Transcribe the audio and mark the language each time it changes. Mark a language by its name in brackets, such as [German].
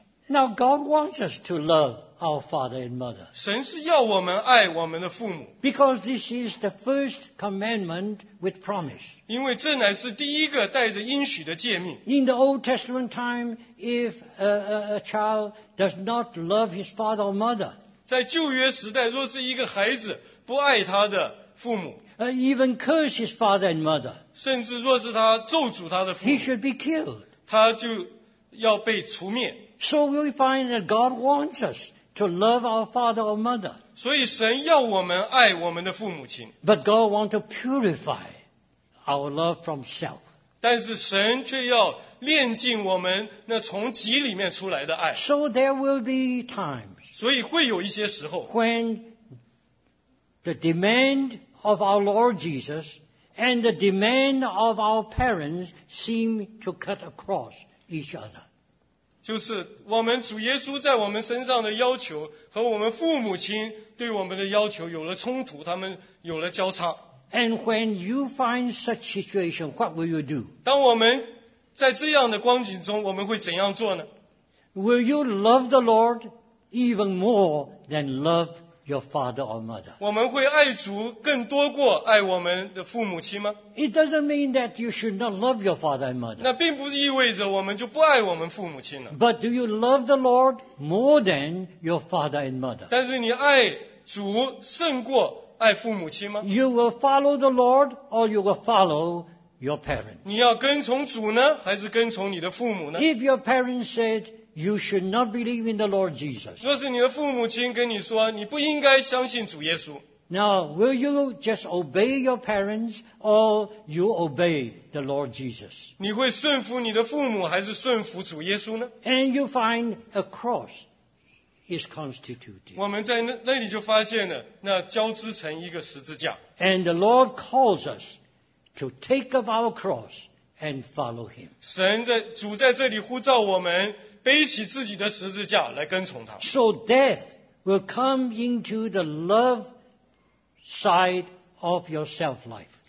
[English] Now God wants us to love our father and mother. [Chinese] 神是要我们爱我们的父母。 [English] Because this is the first commandment with promise. [Chinese] 因为这乃是第一个带着应许的诫命。 [English] In the Old Testament time, if a child does not love his father or mother, [Chinese] 在旧约时代，若是一个孩子不爱他的父母， [English] even curse his father and mother, [Chinese] 甚至若是他咒诅他的父母， [English] he should be killed. [Chinese] 他就要被除灭。 [English] So we find that God wants us to love our father or mother. [Chinese] 所以神要我们爱我们的父母亲。 [English] But God wants to purify our love from self. [Chinese] 但是神却要炼净我们那从己里面出来的爱。 [English] So there will be times, [Chinese] 所以会有一些时候， [English] whenThe demand of our Lord Jesus and the demand of our parents seem to cut across each other. [Chinese] 就是我们主耶稣在我们身上的要求和我们父母亲对我们的要求有了冲突，他们有了交叉。 [English] And when you find such situation, what will you do? [Chinese] 当我们在这样的光景中，我们会怎样做呢？ [English] Will you love the Lord even more than love your father or mother? [Chinese] 我们会爱主更多过爱我们的父母亲吗？ [English] It doesn't mean that you should not love your father and mother. [Chinese] 那并不意味着我们就不爱我们父母亲了。 [English] But do you love the Lord more than your father and mother? [Chinese] 但是你爱主胜过爱父母亲吗？ [English] You will follow the Lord or you will follow your parents. [Chinese] 你要跟从主呢，还是跟从你的父母呢？ [English] If your parents said,You should not believe in the Lord Jesus. [Chinese] 若是你的父母亲跟你说，你不应该相信主耶稣。 [English] Now, will you just obey your parents or you obey the Lord Jesus? [Chinese] 你会顺服你的父母还是顺服主耶稣呢? [English] And you find a cross is constituted. [Chinese] 我们在那里就发现了那交织成一个十字架。 [English] And the Lord calls us to take up our cross and follow him. [Chinese] 主在这里呼召我们背起自己的十字架来跟从他。 [English] So death will come into the love side of your self life.